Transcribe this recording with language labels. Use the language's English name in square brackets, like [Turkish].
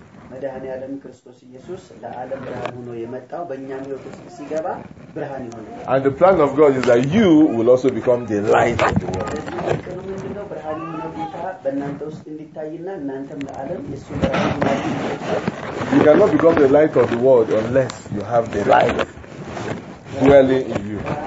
[Amharic] መዳህኔ ዓለም ክርስቶስ ኢየሱስ ለዓለም ብርሃን ሆኖ የመጣው በእኛም ህይወት ሲገባ ብርሃን ይሆናል [English] And the plan of God is that you will also become the light of the world. [Amharic] ከምንድነው ብርሃን ሆኖ ጌታ በእናንተ ውስጥ እንዲታይና እናንተም ለዓለም የሱ ብርሃን ሆኖ [English] You cannot become the light of the world unless you have the light dwelling in you.